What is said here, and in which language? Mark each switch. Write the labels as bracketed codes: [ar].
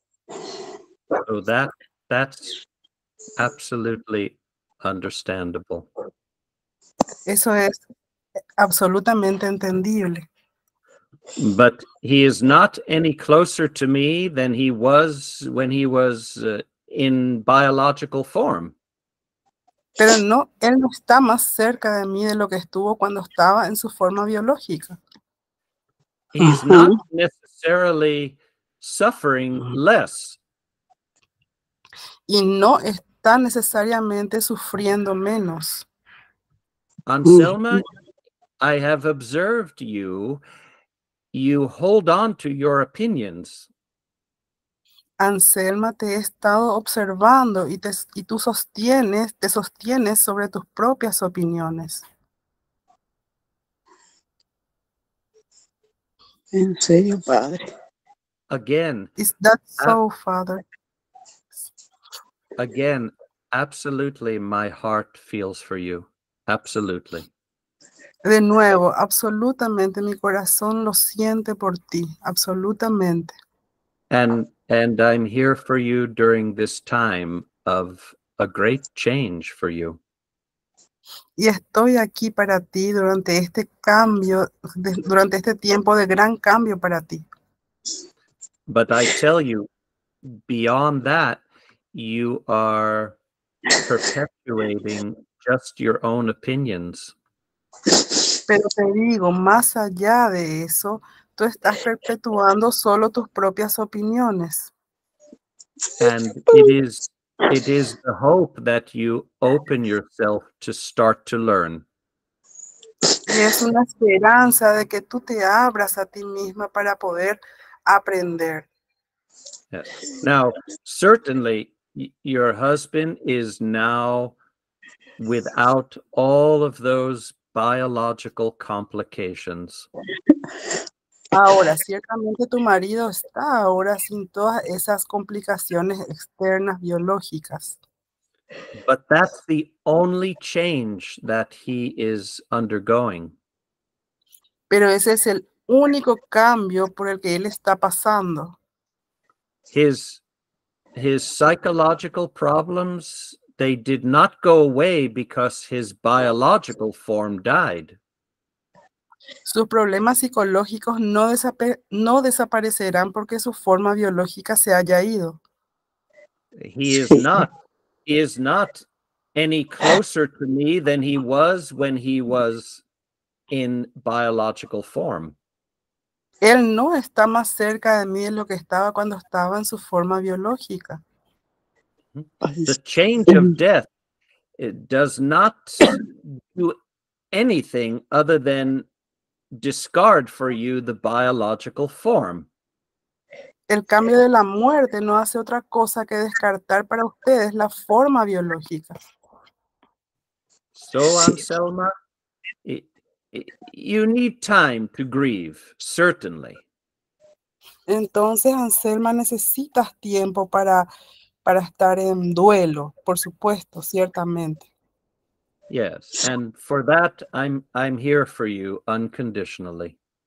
[en] So that's absolutely understandable. [es] Eso es absolutamente entendible. [en] But he is not any closer to me than he was when he was in biological form. [es] Pero no, él no está más cerca de mí de lo que estuvo cuando estaba en su forma biológica. [en] He's not necessarily suffering less. [es] Y no está necesariamente sufriendo menos. [en] Anselma, I have observed you. You hold on to your opinions. [es] Anselma, te he estado observando y te sostienes sobre tus propias opiniones. En serio, Padre. [en] Again, is that so, Father? Again, absolutely, my heart feels for you. Absolutely. [es] De nuevo, absolutamente, mi corazón lo siente por ti. Absolutamente. [en] And I'm here for you during this time of a great change for you. [es] Y estoy aquí para ti durante este cambio, durante este tiempo de gran cambio para ti. [en] But I tell you, beyond that, you are perpetuating just your own opinions. [es] Pero te digo, más allá de eso, tú estás perpetuando solo tus propias opiniones. [en] And it is the hope that you open yourself to start to learn. [es] Y es una esperanza de que tú te abras a ti misma para poder aprender. [en] Yes. Now, certainly, your husband is now without all of those biological complications. [es] Ahora, ciertamente tu marido está ahora sin todas esas complicaciones externas biológicas. [en] But that's the only change that he is undergoing. [es] Pero ese es el único cambio por el que él está pasando. [en] His psychological problems, they did not go away because his biological form died. [es] Sus problemas psicológicos no desaparecerán porque su forma biológica se haya ido. [en] He is not any closer to me than he was when he was in biological form. [es] Él no está más cerca de mí de lo que estaba cuando estaba en su forma biológica. [en] The change of death does not do anything other than discard for you the biological form. [es] El cambio de la muerte no hace otra cosa que descartar para ustedes la forma biológica. [en] So, Anselma, you need time to grieve, certainly. [es] Entonces, Anselma, necesitas tiempo para estar en duelo, por supuesto, ciertamente. [en] Yes, and for that, I'm here for you unconditionally.